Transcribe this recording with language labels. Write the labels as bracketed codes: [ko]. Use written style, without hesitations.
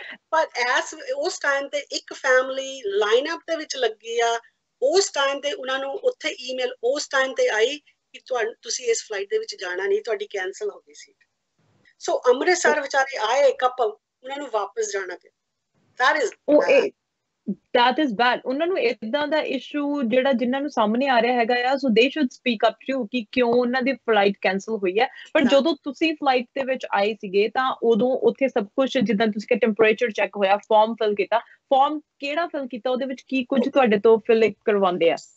[pa] ਪਰ ਐਸ ਉਸ ਟਾਈਮ ਤੇ ਇੱਕ ਫੈਮਿਲੀ ਲਾਈਨ ਅਪ ਦੇ ਵਿੱਚ ਲੱਗੀ ਆ, ਉਸ ਟਾਈਮ ਤੇ ਉਹਨਾਂ ਨੂੰ ਉੱਥੇ ਈਮੇਲ ਉਸ ਟਾਈਮ ਤੇ ਆਈ ਕਿ ਤੁਹਾਨੂੰ, ਤੁਸੀਂ ਇਸ ਫਲਾਈਟ ਦੇ ਵਿੱਚ ਜਾਣਾ ਨਹੀਂ, ਤੁਹਾਡੀ ਕੈਂਸਲ ਹੋ ਗਈ ਸੀਟ. ਸੋ ਅੰਮ੍ਰਿਤਸਰ ਵਿਚਾਰੇ ਆਏ ਕਪਲ, ਉਹਨਾਂ ਨੂੰ ਵਾਪਸ ਜਾਣਾ ਪਿਆ. [en] That is oh a That is bad. [pa] ਉਹਨਾਂ ਨੂੰ ਇਦਾਂ ਦਾ ਇਸ਼ੂ ਜਿਹੜਾ ਜਿਨ੍ਹਾਂ ਨੂੰ ਸਾਹਮਣੇ ਆ ਰਿਹਾ ਹੈਗਾ ਆ, [en] so they should speak up to [pa] ਕਿ ਕਿਉਂ ਉਹਨਾਂ ਦੀ ਫਲਾਈਟ ਕੈਂਸਲ ਹੋਈ ਹੈ. ਪਰ ਜਦੋਂ ਤੁਸੀਂ ਫਲਾਈਟ ਦੇ ਵਿੱਚ ਆਏ ਸੀਗੇ ਤਾਂ ਉਦੋਂ ਉੱਥੇ ਸਭ ਕੁਝ, ਜਿੱਦਾਂ ਤੁਸੀਂ ਕਿਹਾ ਟੈਂਪਰੇਚਰ ਚੈੱਕ ਹੋਇਆ, ਫਾਰਮ ਫਿਲ ਕੀਤਾ, ਫਾਰਮ ਕਿਹੜਾ ਫਿਲ ਕੀਤਾ, ਉਹਦੇ ਵਿੱਚ ਕੀ ਕੁਝ ਤੁਹਾਡੇ ਤੋਂ ਫਿਲ ਕਰਵਾਉਂਦੇ ਆ?